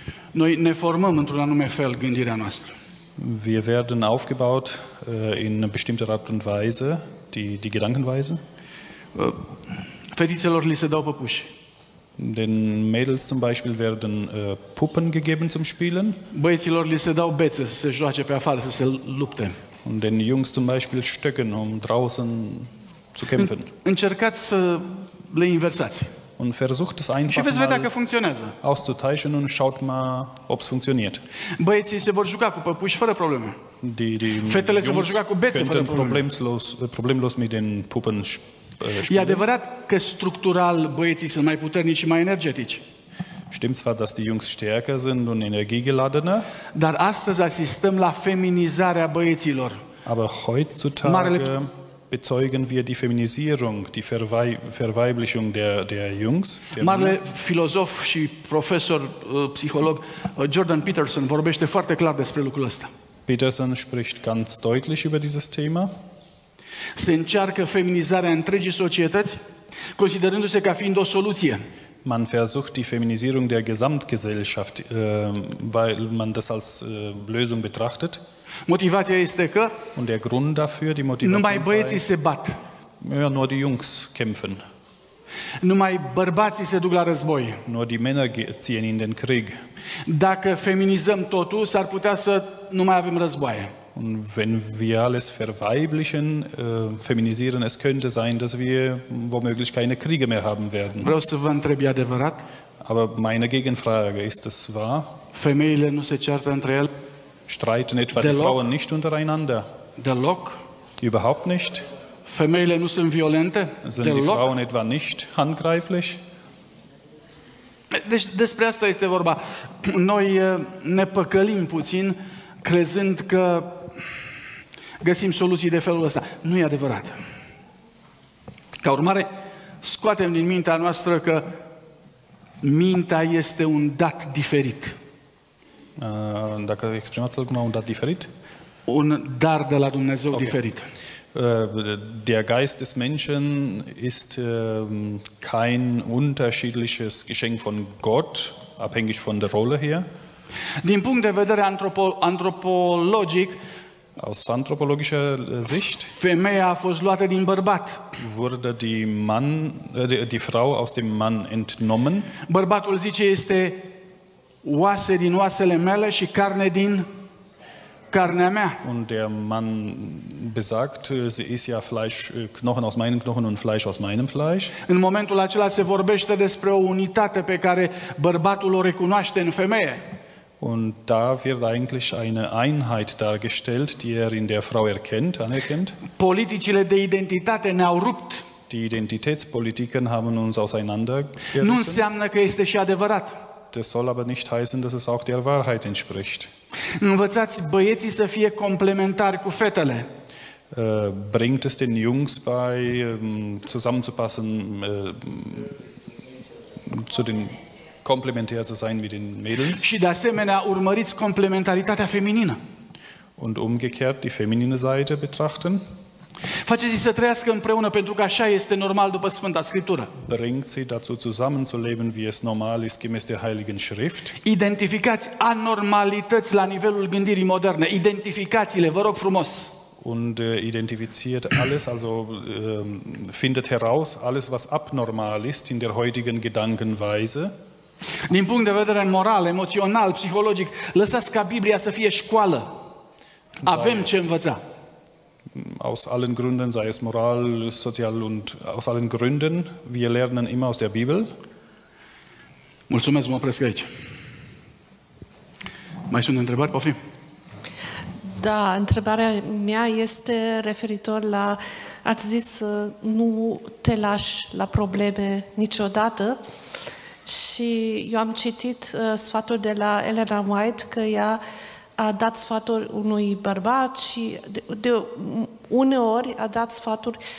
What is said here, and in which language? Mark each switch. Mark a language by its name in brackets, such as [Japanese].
[Romanian] Noi ne formăm într-un anume fel gândirea noastră. [German] Wir werden aufgebaut in bestimmter Art und Weise, die Gedankenweise. [Romanian] Fetițelor li se dau păpuși. [German] Den Mädels zum Beispiel werden Puppen gegeben zum Spielen. [Romanian] Băieților li se dau bețe să se joace pe afară, să se lupte. [German] Und den Jungs zum Beispiel Stöcken, um draußen zu kämpfen. [Romanian] Încercați să le inversați. [German] Und versucht es einfach [Romanian] și veți vedea că funcționează. [German] Auszuteilen und schaut mal, ob es funktioniert. [Romanian] Băieții se vor juca cu păpuși fără probleme. Fetele se vor juca cu bețe fără probleme. [German] Problemlos mit den Puppen. [Romanian] E adevărat că structural băieții sunt mai puternici și mai energetici. [German] Stimmt zwar, dass die Jungs stärker sind und energiegeladener. [Romanian] Dar astăzi asistăm la feminizarea băieților. [German] Aber heutzutage bezeugen wir die Feminisierung, die Verweiblichung der Jungs. [Romanian] Marele filozof și profesor psiholog Jordan Peterson vorbește foarte clar despre lucrul ăsta. [German] Peterson spricht ganz deutlich über dieses Thema. [Romanian] Se încearcă feminizarea întregii societăți, considerându-se ca fiind o soluție. [German] Man versucht die Feminisierung der Gesamtgesellschaft, weil man das als Lösung betrachtet. [Romanian] Motivația este că [German] und der Grund dafür, die Motivation [Romanian] numai băieții se bat. [German] Ja, nur die Jungs kämpfen. [Romanian] Numai bărbații se duc la război. [German] Nur die Männer ziehen in den Krieg. [Romanian] Dacă feminizăm totul, s-ar putea să nu mai avem războaie. [German] Und wenn wir alles verweiblichen, feminisieren, es könnte sein, dass wir womöglich keine Kriege mehr haben werden. [Romanian] Vreau să vă întreb, e adevărat? [German] Aber meine Gegenfrage, ist es wahr? [Romanian] Femeile nu se ceartă între ele? [German] Streiten etwa die Frauen nicht untereinander? [Romanian] Deloc? [German] Überhaupt nicht? [Romanian] Femeile nu sunt violente? [German] Sind die Frauen etwa nicht handgreiflich? [Romanian] Deci despre asta este vorba. Noi ne păcălim puțin crezând că găsim soluții de felul ăsta. Nu e adevărat. Ca urmare, scoatem din mintea noastră că mintea este un dat diferit. Dacă exprimați-l cum un dat diferit? Un dar de la Dumnezeu diferit. [German] Der Geist des Menschen ist kein unterschiedliches Geschenk von Gott, abhängig von der Rolle her. [Romanian] Din punct de vedere antropologic, [German] aus anthropologischer Sicht, [Romanian] femeia a fost luată din bărbat. [German] Wurde die Mann, die Frau aus dem Mann entnommen. [Romanian] Bărbatul zice este oase din oasele mele și carne din carnea mea. [German] Und der Mann besagt, sie ist ja Fleisch, Knochen aus meinen Knochen und Fleisch aus meinem Fleisch. [Romanian] În momentul acela se vorbește despre o unitate pe care bărbatul o recunoaște în femeie. [German] Und da wird eigentlich eine Einheit dargestellt, die in der Frau erkennt, anerkennt. [Romanian] Politicile de identitate ne-au rupt. [German] Die Identitätspolitiken haben uns auseinandergerissen. [Romanian] Nu înseamnă că este și adevărat. [German] Das soll aber nicht heißen, dass es auch der Wahrheit entspricht. [Romanian] Învățați băieții să fie complementari cu fetele. [German] Bringt es den Jungs bei, zusammenzupassen, zu den komplementär zu sein wie den Mädels? [Romanian] Și de asemenea urmăriți complementaritatea feminină. [German] Und umgekehrt die feminine Seite betrachten? [Romanian] Faceți-i să trăiască împreună, pentru că așa este normal după Sfânta Scriptură. [German] Bringt sie dazu zusammenzuleben, wie es normal ist gemäß der Heiligen Schrift. [Romanian] Identificați anormalități la nivelul gândirii moderne. Identificați-le, vă rog frumos. [German] Und identifiziert alles, also findet heraus alles, was abnormal ist in der heutigen Gedankenweise. [Romanian] Din punct de vedere moral, emoțional, psihologic, lăsați ca Biblia să fie școală. Avem ce învăța. [German] Aus allen Gründen, sei es moral, sozial und aus allen Gründen, wir lernen immer aus der Bibel. [Romanian] Mulțumesc, mă opresc aici. Mai sunt întrebări, Pofi? Da, întrebarea mea este referitor la, ați zis să nu te lași la probleme niciodată și eu am citit sfatul de la Ellen White că ea a dat sfatul unui bărbat și de uneori a dat sfatul